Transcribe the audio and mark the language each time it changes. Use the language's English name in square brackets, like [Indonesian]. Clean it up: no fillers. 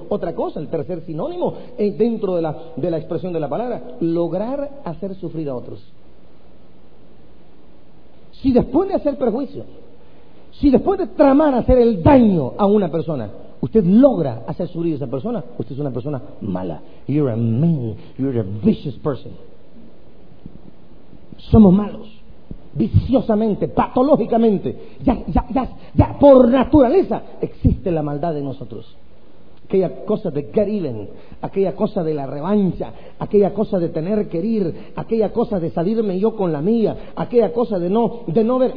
[Spanish] Otra cosa, el tercer sinónimo dentro de la expresión de la palabra, lograr hacer sufrir a otros. Si después de hacer perjuicio, si después de tramar hacer el daño a una persona, usted logra hacer sufrir a esa persona, usted es una persona mala. [English] You're a mean, you're a vicious person. [Spanish] Somos malos. Viciosamente, patológicamente, ya por naturaleza existe la maldad en nosotros. Aquella cosa de [English] get even, [Spanish] aquella cosa de la revancha, aquella cosa de tener que ir, aquella cosa de salirme yo con la mía, aquella cosa de no ver.